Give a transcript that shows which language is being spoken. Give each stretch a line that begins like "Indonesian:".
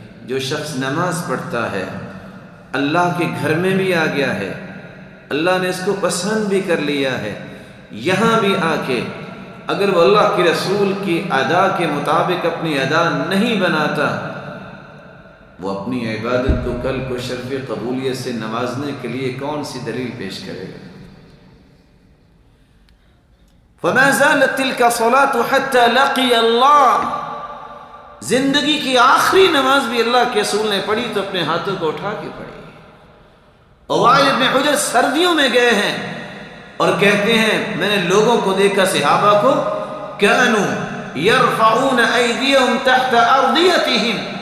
Urdu: جو شخص نماز پڑھتا ہے اللہ کے گھر میں بھی آ گیا ہے، اللہ نے اس کو پسند بھی کر لیا ہے، یہاں بھی آ کے اگر وہ اللہ کے رسول کی ادا کے مطابق اپنی ادا نہیں بناتا، وہ اپنی عبادت کو کل کو شرف قبولیت سے نوازنے کے لیے کون سی دلیل پیش کرے گا؟
Arabic: فما زالت تلك صلاة حتى لقي الله،
Urdu: زندگی کی آخری نماز بھی اللہ کے رسول نے پڑھی تو اپنے ہاتھوں کو اٹھا کے پڑھی. عوائل ابن حجر سردیوں میں گئے ہیں اور کہتے ہیں، میں نے لوگوں کو دیکھا، صحابہ کو،
Arabic: كانوا يرفعون ايديهم تحت ارضيتهم،